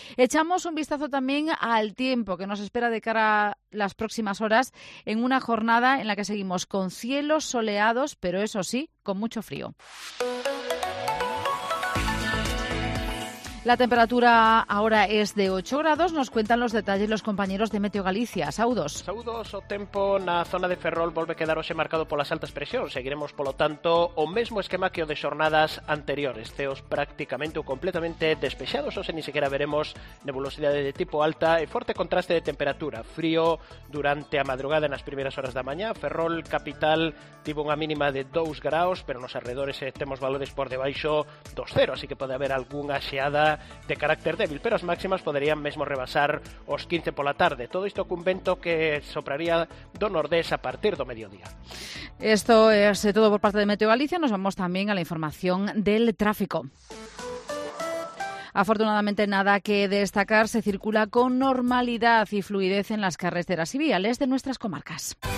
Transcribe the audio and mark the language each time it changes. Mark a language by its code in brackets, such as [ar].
[es] Echamos un vistazo también al tiempo que nos espera de cara a las próximas horas, en una jornada en la que seguimos con cielos soleados, pero eso sí, con mucho frío. La temperatura ahora es de 8 grados. Nos cuentan los detalles los compañeros de Meteo Galicia. [gl] Saudos. Saudos. O tempo na zona de Ferrol volve a quedar hoxe marcado polas altas presións. Seguiremos, polo tanto, o mesmo esquema que o de xornadas anteriores. Ceos prácticamente ou completamente despexados, ou se [es] ni siquiera [gl] veremos nebulosidade de tipo alta e forte contraste de temperatura. Frío durante a madrugada nas primeiras horas da mañá. Ferrol capital tivo unha mínima de 2 graus, pero nos arredores temos valores por debaixo dos 0, así que pode haber algunha xeada de carácter débil, pero as máximas poderían mesmo rebasar os 15 pola tarde. Todo isto cun vento que sopraría do nordés a partir do mediodía. [es] Esto es todo por parte de Meteo Galicia. Nos vamos también a la información del tráfico. Afortunadamente, nada que destacar. Se circula con normalidad y fluidez en las carreteras y viales de nuestras comarcas.